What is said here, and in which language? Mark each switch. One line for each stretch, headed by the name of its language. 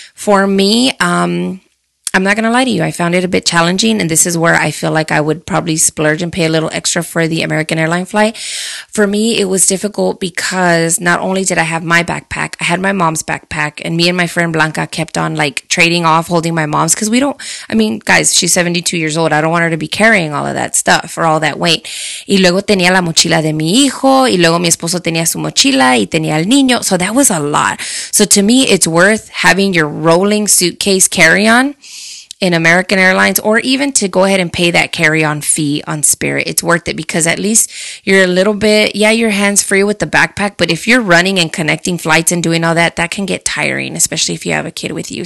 English: For me, I'm not gonna lie to you, I found it a bit challenging, and this is where I feel like I would probably splurge and pay a little extra for the American Airlines flight. For me, it was difficult because not only did I have my backpack, I had my mom's backpack, and me and my friend Blanca kept on like trading off holding my mom's, because guys, she's 72 years old. I don't want her to be carrying all of that stuff or all that weight.
Spanish: Y luego tenía la mochila de mi hijo, y luego mi esposo tenía su mochila y tenía el niño.
English: So that was a lot. So to me, it's worth having your rolling suitcase carry-on in American Airlines, or even to go ahead and pay that carry-on fee on Spirit. It's worth it because at least you're a little bit, yeah, you're hands-free with the backpack, but if you're running and connecting flights and doing all that, that can get tiring, especially if you have a kid with you.